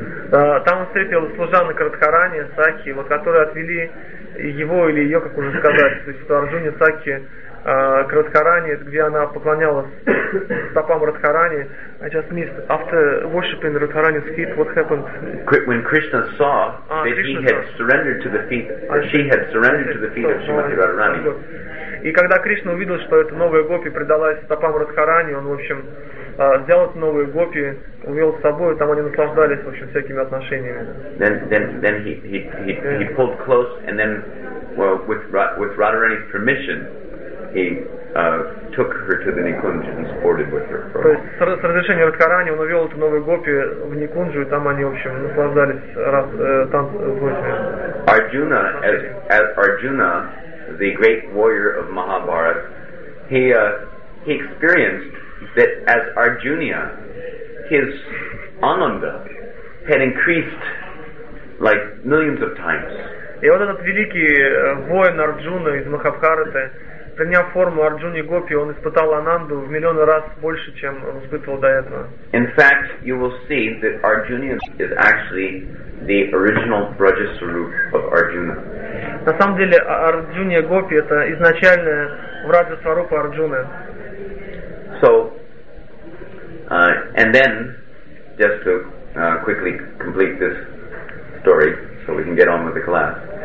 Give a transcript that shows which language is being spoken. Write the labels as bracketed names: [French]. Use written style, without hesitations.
[Russian] Там он встретил служанок Радхарани, Сакхи, вот которые отвели его или ее, как уже сказать, то есть Арджуна Сакхи к Радхарани, где она поклонялась стопам Радхарани. [English] I just missed. After worshiping Radharani's feet, what happened? When Krishna saw that he had surrendered to the feet, or she had surrendered to the feet of Srimati Radharani. [Russian] И когда Кришна увидел, что эта новая гопи предалась стопам Радхарани, он, в общем, взял эту новую гопи, увел с собой, там они наслаждались, в общем, всякими отношениями. [English] Then he pulled close, and then, well, with Radharani's permission, he took her to the Nikunja and sported with her. [Russian] То есть с разрешения Радхарани он увел эту новую гопи в Никунджу, и там они, в общем, наслаждались раз танцами. [English] Arjuna, as Arjuna, the great warrior of Mahabharata, he experienced that as Arjuna, his ananda had increased like millions of times. [Russian] И вот этот великий воин Арджуна из Махабхараты, приняв форму Арджуны Гопи, он испытал ананду в миллионы раз больше, чем он испытывал до этого. [English] In fact, you will see that Arjuna is actually the original Brajaswarup of Arjuna. [Russian] На самом деле, Арджуна Гопи — это изначальное враджа-сварупа Арджуны. [English] So, and then, just to quickly complete this story, so we can get on with the class.